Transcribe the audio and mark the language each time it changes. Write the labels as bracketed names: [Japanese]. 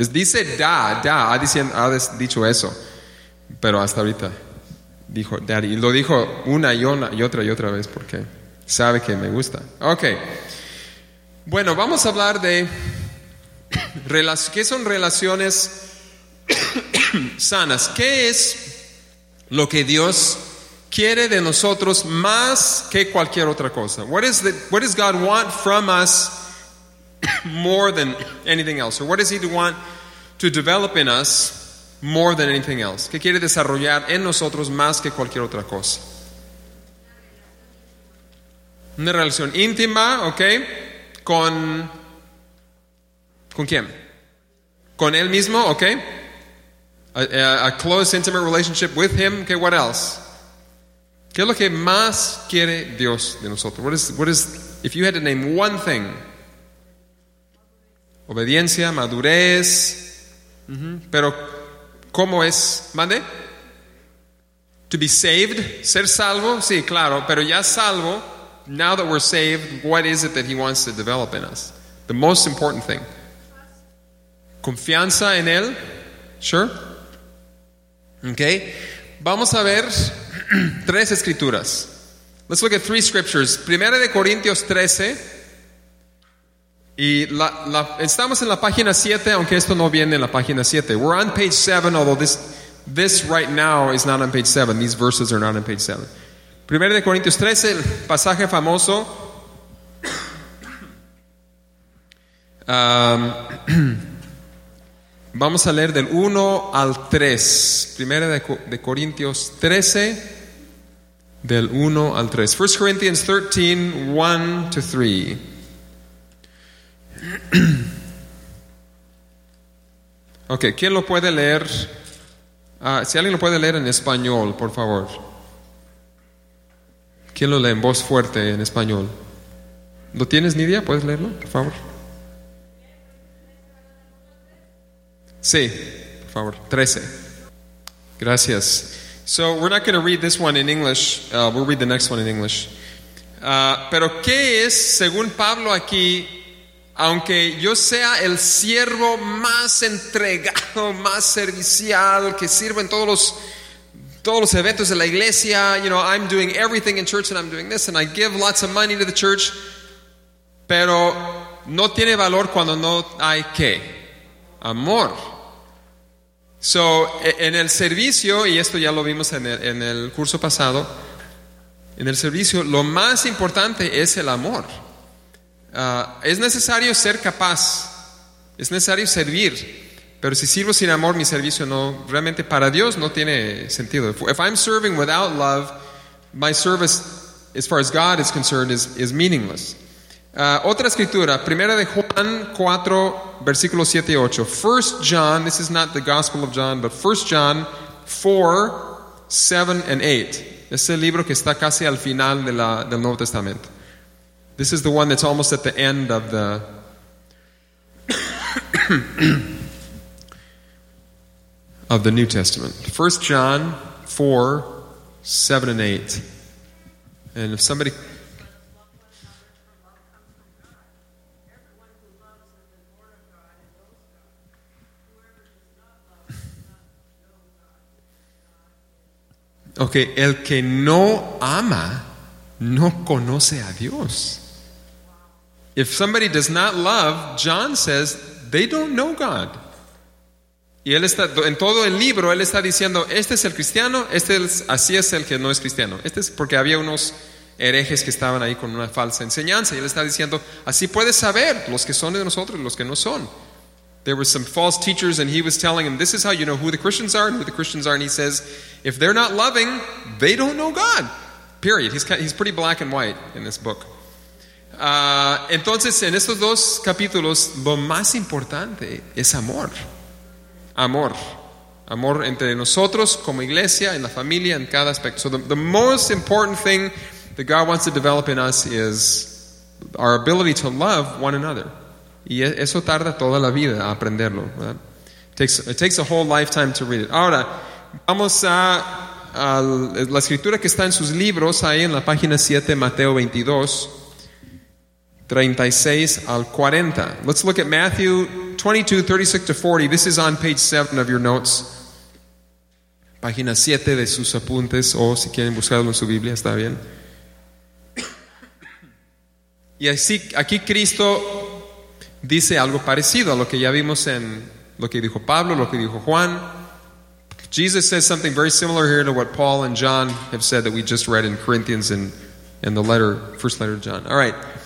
[Spanish] Dice da, ha dicho eso, pero hasta ahorita dijo daddy. Y lo dijo una y otra vez, porque Sabe que me gusta. Ok. Bueno, vamos a hablar de qué son relaciones sanas. ¿Qué es lo que Dios quiere de nosotros más que cualquier otra cosa? [English] What does God want from us more than anything else? Or what does He want to develop in us more than anything else? [Spanish] ¿Qué quiere desarrollar en nosotros más que cualquier otra cosa? Una relación íntima, ¿ok? ¿Con quién? ¿Con Él mismo, ok? [English] A close, intimate relationship with Him. Okay, what else? [Spanish] ¿Qué es lo que más quiere Dios de nosotros? [English] What is, if you had to name one thing. [Spanish] Obediencia, madurez. Mm-hmm. Pero, ¿cómo es? ¿Mande? [English] To be saved, [Spanish] ser salvo. Sí, claro, pero ya salvo. [English] Now that we're saved, what is it that He wants to develop in us? The most important thing. [Spanish] Confianza en Él. [English] Sure. Okay. [Spanish] Vamos a ver tres escrituras. [English] Let's look at three scriptures. [Spanish] Primera de Corintios 13. Y estamos en la página 7, aunque esto no viene en la página 7. [English] We're on page 7, although this right now is not on page 7. These verses are not on page 7. [Spanish] Primera de Corintios 13, el pasaje famoso. Vamos a leer del 1 al 3. Primera de Corintios 13, del 1 al 3. [English] 1 Corinthians 13, 1 to 3. [Spanish] Okay, ¿quién lo puede leer? Si alguien lo puede leer en español, por favor. ¿Quién lo lee en voz fuerte en español? ¿Lo tienes, Nidia? ¿Puedes leerlo, por favor? Sí, por favor, 13. Gracias. [English] So, we're not going to read this one in English. We'll read the next one in English. [Spanish] Pero, ¿qué es, según Pablo aquí, aunque yo sea el siervo más entregado, más servicial, que sirva en todos los eventos de la iglesia? [English] You know, I'm doing everything in church and I'm doing this and I give lots of money to the church. [Spanish] Pero, no tiene valor cuando no hay ¿qué? Amor. So, en el servicio, y esto ya lo vimos en el curso pasado, en el servicio, lo más importante es el amor. Es necesario ser capaz, es necesario servir, pero si sirvo sin amor, mi servicio no, realmente para Dios no tiene sentido. [English] If I'm serving without love, my service, as far as God is concerned, is meaningless. [Spanish] Otra escritura, primera de Juan 4, versículos 7 y 8. [English] 1 John, this is not the Gospel of John, but 1 John 4, 7 and 8. [Spanish] Es el libro que está casi al final del Nuevo Testamento. [English] This is the one that's almost at the end of the... of the New Testament. 1 John 4, 7 and 8. And if somebody... [Spanish] Okay, el que no ama no conoce a Dios. [English] If somebody does not love, John says they don't know God. [Spanish] Y él está en todo el libro, él está diciendo, este es el cristiano, este es así es el que no es cristiano. Este es porque había unos herejes que estaban ahí con una falsa enseñanza y él está diciendo, así puedes saber los que son de nosotros y los que no son. [English] There were some false teachers and he was telling them, this is how you know who the Christians are and who the Christians aren't. He says, if they're not loving, they don't know God. Period. He's pretty black and white in this book. [Spanish] Entonces, en estos dos capítulos, lo más importante es amor. Amor. Amor entre nosotros, como iglesia, en la familia, en cada aspecto. [English] So the most important thing that God wants to develop in us is our ability to love one another. [Spanish] Y eso tarda toda la vida a aprenderlo, ¿verdad? [English] It takes a whole lifetime to read it. [Spanish] Ahora, vamos a la escritura que está en sus libros, ahí en la página 7, Mateo 22, 36 al 40. [English] Let's look at Matthew 22, 36 to 40. This is on page 7 of your notes. [Spanish] Página 7 de sus apuntes, o si quieren buscarlo en su Biblia, está bien. Y así, aquí Cristo dice algo parecido a lo que ya vimos en lo que dijo Pablo, lo que dijo Juan. [English] Jesus says something very similar here to what Paul and John have said that we just read in Corinthians and in the letter, first letter of John. All right.